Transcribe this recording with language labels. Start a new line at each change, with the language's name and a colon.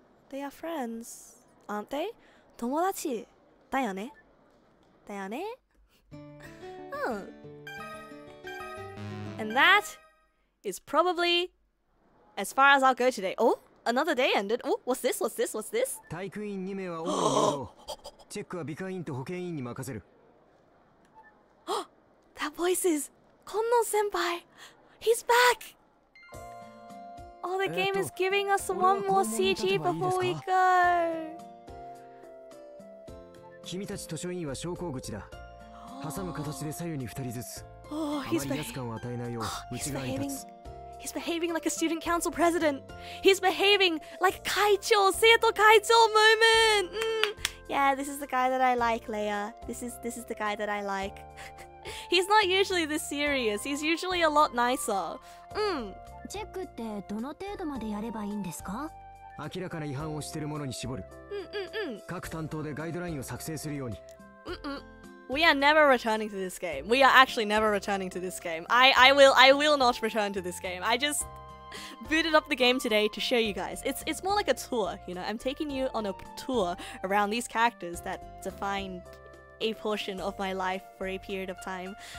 English: They are friends, aren't they?
Japanese: 友達。だよね。だよね。
English: And that is probably as far as I'll go today. Oh, another day ended. Oh, what's this?
Japanese: 体育員2名は多いけど、チェックは美化員と保健員に任せる。
English: That voice is Konno-senpai. He's back. Oh, the game is giving us one more CG before we go.
Japanese: 君たち図書委員は昇降口だ。挟む形で左右に2人ずつ。
English: He's behaving like a student council president. He's behaving like Kaichou, Seito Kaichou moment. Mm. Yeah, this is the guy that I like, Leia. This is the guy that I like. He's not usually this serious. He's usually a lot nicer.
Japanese: Check ってどの程度までやればいいんですか？明らかな違反をしている者に絞る。各担当でガイドラインを作成するように。
English: We are never returning to this game. We are actually never returning to this game. I will not return to this game. I just booted up the game today to show you guys. It's more like a tour, you know. I'm taking you on a tour around these characters that defined a portion of my life for a period of time.